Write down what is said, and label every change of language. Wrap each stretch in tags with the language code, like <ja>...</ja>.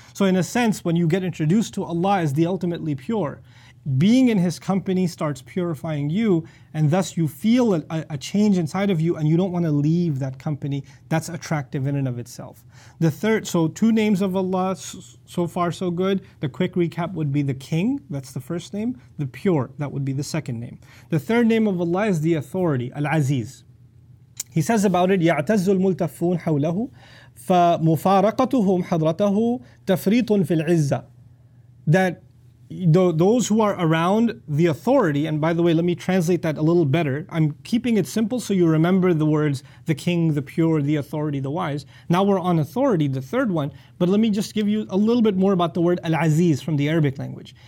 <en>So in a sense, when you get introduced to Allah as the ultimately pure, being in His company starts purifying you, and thus you feel a change inside of you, and you don't want to leave that company. That's attractive in and of itself. The third, so two names of Allah, so far so good. The quick recap would be the King, that's the first name. The Pure, that would be the second name. The third name of Allah is the Authority, Al-Aziz. He says about it,</en> <ar>يَعْتَزُّ الْمُلْتَفُّونَ حَوْلَهُ فَمُفَارَقَتُهُمْ حَضْرَتَهُ تَفْرِيطٌ فِي الْعِزَّةِ.</ar> <en>That those who are around the authority, and by the way, let me translate that a little better. I'm keeping it simple so you remember the words, the king, the pure, the authority, the wise. Now we're on authority, the third one. But let me just give you a little bit more about the word al-aziz from the Arabic language.</en>